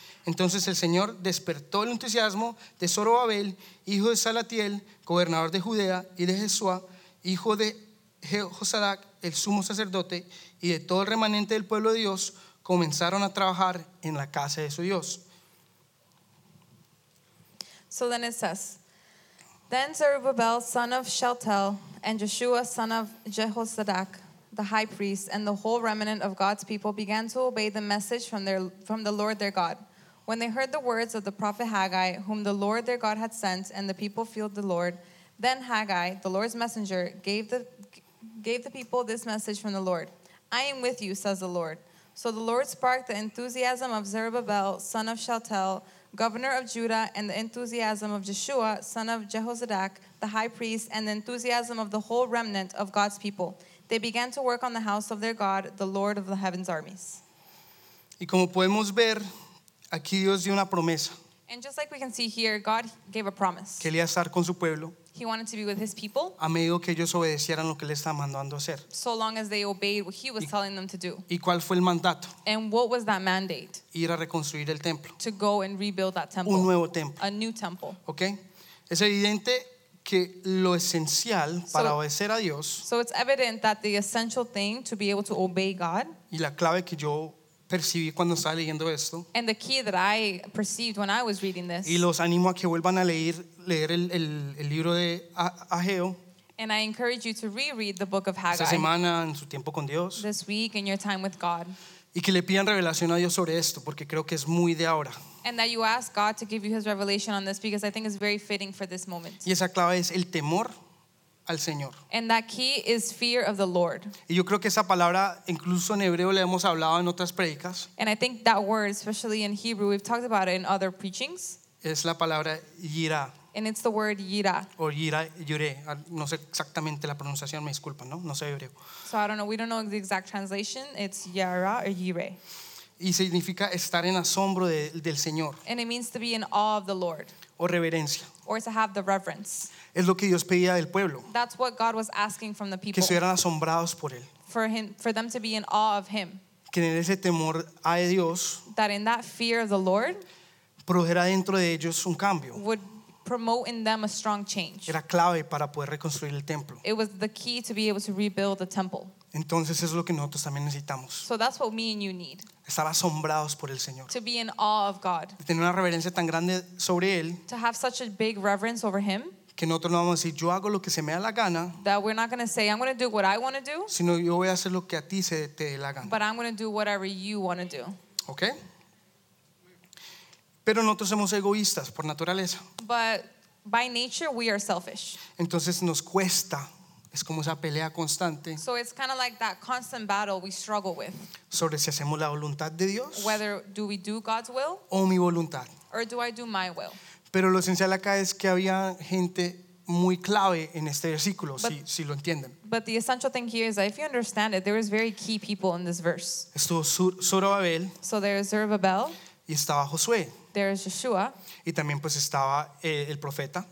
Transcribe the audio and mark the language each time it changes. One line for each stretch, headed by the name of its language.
Spanish: Entonces el Señor despertó el entusiasmo de Zorobabel, hijo de Salatiel, gobernador de Judea, y de Jesúa, hijo de Josadac, el sumo sacerdote, y de todo el remanente del pueblo de Dios, comenzaron a trabajar en la casa de su Dios.
English: So then it says, then Zerubbabel, son of Shealtiel, and Jeshua, son of Jehozadak, the high priest, and the whole remnant of God's people began to obey the message from the Lord their God. When they heard the words of the prophet Haggai, whom the Lord their God had sent, and the people feared the Lord, then Haggai, the Lord's messenger, gave the people this message from the Lord. I am with you, says the Lord. So the Lord sparked the enthusiasm of Zerubbabel, son of Shealtiel, governor of Judah, and the enthusiasm of Jeshua, son of Jehozadak, the high priest, and the enthusiasm of the whole remnant of God's people. They began to work on the house of their God, the Lord of the heaven's armies.
Spanish: Y como podemos ver, aquí Dios dio una promesa.
English: And just like we can see here, God gave a promise.
Spanish: Que él iba a estar con su pueblo.
English: He wanted to be with his people.
Spanish: A medio que ellos obedecieran lo que él estaba mandando hacer.
English: So long as they obeyed what he was telling them to do.
Spanish: ¿Y cuál fue el mandato?
English: And what was that mandate?
Spanish: Ir a reconstruir el templo.
English: To go and rebuild that temple.
Spanish: Un nuevo templo.
English: A new temple. Okay.
Spanish: Es evidente que lo esencial para obedecer a Dios.
English: So it's evident that the essential thing to be able to obey God.
Spanish: Y la clave que yo percibí cuando estaba leyendo esto.
English: And the key that I perceived when I was reading this.
Spanish: Y los animo a que vuelvan a leer el libro de Ageo.
English: And I encourage you to reread the book of Haggai.
Spanish: Esta semana en su tiempo con Dios.
English: This week in your time with God.
Spanish: Y que le pidan revelación a Dios sobre esto, porque creo que es muy de ahora.
English: And that you ask God to give you his revelation on this, because I think it's very fitting for this moment.
Spanish: Y esa clave es el temor al Señor.
English: And that key is fear of the Lord.
Spanish: Y yo creo que esa palabra, incluso en hebreo, le hemos hablado en otras predicas.
English: And I think that word, especially in Hebrew, we've talked about it in other preachings.
Spanish: Es la palabra yirah.
English: And it's the word yirah.
Spanish: O yirah, yure. No sé exactamente la pronunciación, me disculpa, ¿no? No sé hebreo.
English: So I don't know. We don't know the exact translation. It's yara or yireh.
Spanish: Y significa estar en asombro del Señor.
English: And it means to be in awe of the Lord.
Spanish: O reverencia.
English: Or to have the reverence.
Spanish: Es lo que Dios pedía del pueblo.
English: That's what God was asking from the people.
Spanish: Que estuvieran asombrados por él.
English: For them to be in awe of him.
Spanish: Que en ese temor a Dios.
English: That in that fear of the Lord.
Spanish: Produjera dentro de ellos un cambio.
English: Would promote in them a strong change.
Spanish: Era clave para poder reconstruir el templo.
English: It was the key to be able to rebuild the temple.
Spanish: Entonces es lo que nosotros también necesitamos.
English: So that's what me and you need.
Spanish: Estar asombrados por el Señor.
English: To be in awe of God.
Spanish: De tener una reverencia tan grande sobre él.
English: To have such a big reverence over him.
Spanish: Que nosotros no vamos a decir yo hago lo que se me da la gana.
English: That we're not going to say I'm going to do what I want to do.
Spanish: Sino yo voy a hacer lo que a ti se te dé la gana.
English: But I'm going to do whatever you want to do. Okay.
Spanish: Pero nosotros somos egoístas por naturaleza.
English: But by nature we are selfish.
Spanish: Entonces nos cuesta. Es como esa pelea constante.
English: So it's kind of like that constant battle we struggle with.
Spanish: Sobre si hacemos la voluntad de Dios.
English: Whether do we do God's will.
Spanish: O mi voluntad.
English: Or do I do my will.
Spanish: Pero lo esencial acá es que había gente muy clave en este versículo, si lo entienden.
English: But the essential thing here is that if you understand it, there is very key people in this verse.
Spanish: Estuvo Zorobabel.
English: So there is Zerubbabel.
Spanish: Y estaba Josué.
English: There is Yeshua.
Spanish: Y también pues estaba el profeta.